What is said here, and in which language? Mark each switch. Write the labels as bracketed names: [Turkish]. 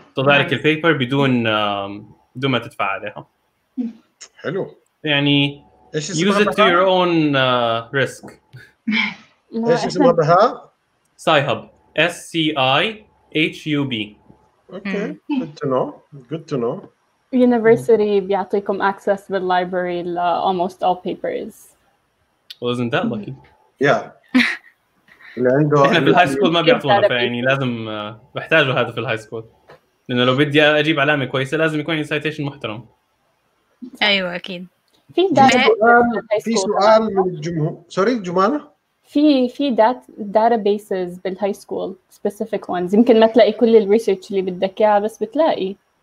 [Arabic] بيطلع لك البيبر بدون ما تدفع عليها. حلو. [English] يعني use it to your own risk. [Arabic] إيش اسمه بها؟ [English] Sci-Hub. SCIHUB. Okay. Good to know. University بيعطيكم access to the library almost all papers. Well, isn't that lucky? Yeah. [Arabic] اللي عنده. إحنا في الهاي سكول ما بيعطونا، فيعني لازم بحتاجه هذا في الهاي سكول. لأنه لو بدي أجيب علامة كويسة لازم يكون citation محترم. أيوة أكيد. في سؤال من الجمهور. سوري جمانة. في databases بالهاي سكول specific ones، يمكن ما تلاقي كل الريسيرش اللي بدك اياه، بس بتلاقي.